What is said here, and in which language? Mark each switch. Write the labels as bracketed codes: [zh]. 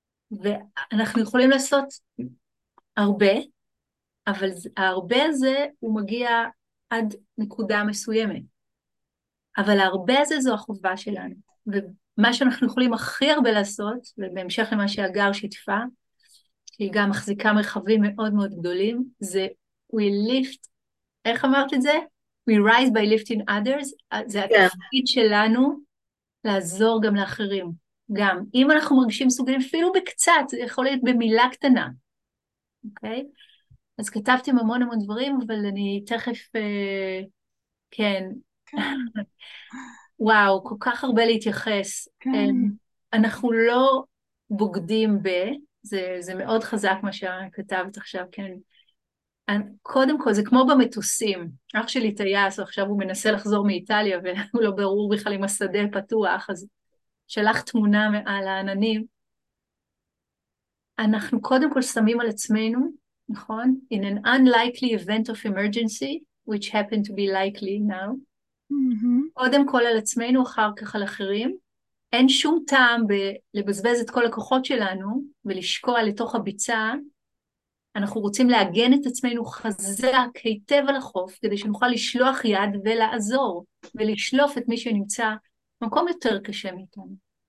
[he] ואנחנו יכולים לעשות... הרבה, אבל ההרבה הזה הוא מגיע עד נקודה מסוימת. אבל ההרבה הזה זו החובה שלנו. ומה שאנחנו יכולים הכי הרבה לעשות, ובהמשך למה שהגר שיתפה, שהיא גם מחזיקה מרחבים מאוד מאוד גדולים, זה [en] we lift, [he] איך אמרת את זה? [en] We rise by lifting others. [he] זה התפקיד שלנו לעזור גם לאחרים. גם אם אנחנו מרגישים סוגרים אפילו בקצת, זה יכול להיות במילה קטנה. אוקיי? אז כתבתם המון המון דברים, אבל אני תכף, כן. וואו, כל כך הרבה להתייחס. אנחנו לא בוגדים ב, זה מאוד חזק מה שכתבת עכשיו, כן. קודם כל, זה כמו במטוסים. אח שלי טייס, עכשיו הוא מנסה לחזור מאיטליה, והוא לא ברור בכלל עם השדה פתוח, אז שלח תמונה מעל העננים. אנחנו קודם כל שמים על עצמנו, נכון? [en] In an unlikely event of emergency, which happened to be likely now. [he] קודם כל על עצמנו, אחר כך על אחרים. אין שום טעם לבזבז את כל הכוחות שלנו, ולשקוע לתוך הביצה. אנחנו רוצים להגן את עצמנו חזק, היטב על החוף, כדי שנוכל לשלוח יד ולעזור, ולשלוף את מי שנמצא במקום יותר קשה מאיתנו.